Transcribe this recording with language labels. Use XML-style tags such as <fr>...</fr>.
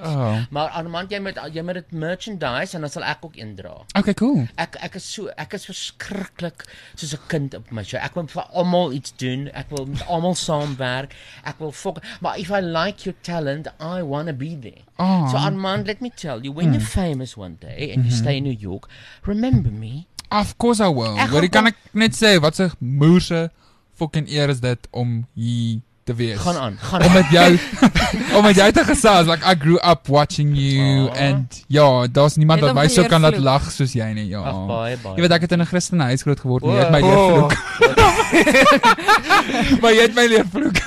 <af>Maar Armand, jy moet dit merchandise en dan sal ek ook een dra.</af> <en>Okay, cool.</en> <af>Ek is verskriklik soos 'n kind op my show. Ek wil vir almal iets doen. Ek wil met almal saamwerk. Ek wil</af> <en>fuck, but if I like your talent, I want to be there. Oh. So Armand, let me tell you, when you're famous one day and you stay in New York, remember me. Of course I will.</en> <af>Wat kan ek net sê? Wat 'n moerse fucking eer is dit om hier te wees. Gaan aan. Om met jou te gesels.</af> <en>Like I grew up watching you</en> <af>and ja, daar's niemand wat my so kan laat lag soos jy nie, ja. Ach, bye. Jy weet ek het in 'n Christelike huis groot geword en jy het my leer vloek. Maar jy het my leer vloek.</af>